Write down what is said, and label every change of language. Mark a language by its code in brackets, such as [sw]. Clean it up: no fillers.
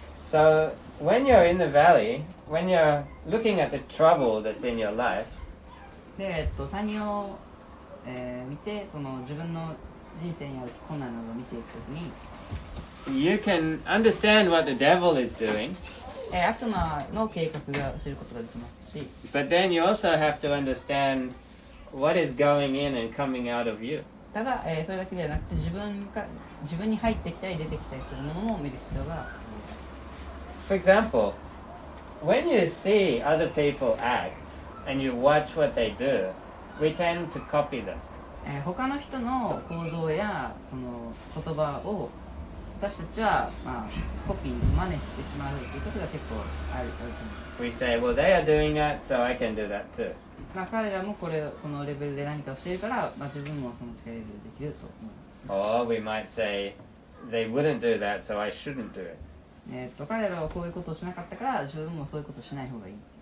[en] So, when you're in the valley, when you're looking at the trouble that's in your life, [ja] で、山を、見て、その自分の人生にある困難などを見ていくときに、 [en] you can understand what the devil is doing, [ja] 悪魔の計画が知ることができますし、 [en] but then you also have to understand what is going in and coming out of you. [ja] ただ、それだけではなくて自分に入ってきたり出てきたりするものも見る必要があります。 [en] For example, when you see other people act and you watch what they do, we tend to copy them. [ja] 他の人の行動やその言葉を私たちは、まあ、コピー、真似してしまうということが結構あると思います。 [en] We say, well, they are doing that, so I can do that too. [ja] まあ、彼らもこのレベルで何かをしているから、まあ、自分もその近いレベルできると思います。 [en] Or we might say, they wouldn't do that, so I shouldn't do it. [ja] 彼らはこういうことをしなかったから、自分もそういうことをしない方がいい。